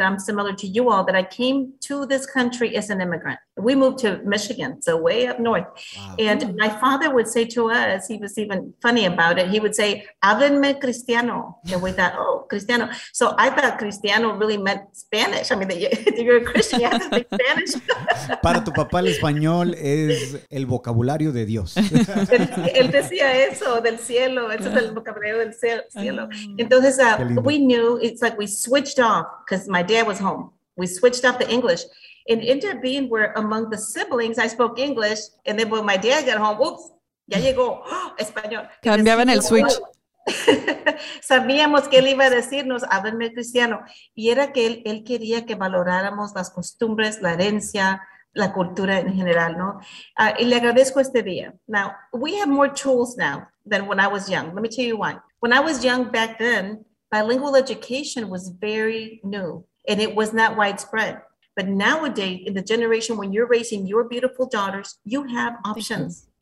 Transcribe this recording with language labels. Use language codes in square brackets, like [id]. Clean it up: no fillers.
[en] I'm similar to you all, that I came to this country as an immigrant. We moved to Michigan, so way up north. Wow. And my father would say to us, he was even funny about it. He would say, [es] háblenme cristiano. [en] And we thought, oh, cristiano. So I thought cristiano really meant Spanish. I mean, you're a Christian, you have to speak Spanish. [es] Para tu papá, el español es el vocabulario de Dios. Él decía eso, del cielo. Eso es el vocabulario del cielo. Entonces, [en] we knew, it's like we switched off because my dad was home. We switched off the English. And ended up being where among the siblings, I spoke English. And then when my dad got home, whoops, [es] ya llegó, [en] oh, español. [es] Cambiaban el switch. Sabíamos que él iba a decirnos, háblenme cristiano. Y era que él quería que valoráramos las costumbres, la herencia, la cultura en general, ¿no? Y le agradezco este día. [en] Now, we have more tools now than when I was young. Let me tell you why. When I was young back then, bilingual education was very new and it was not widespread. But nowadays, in the generation when you're raising your beautiful daughters, you have options.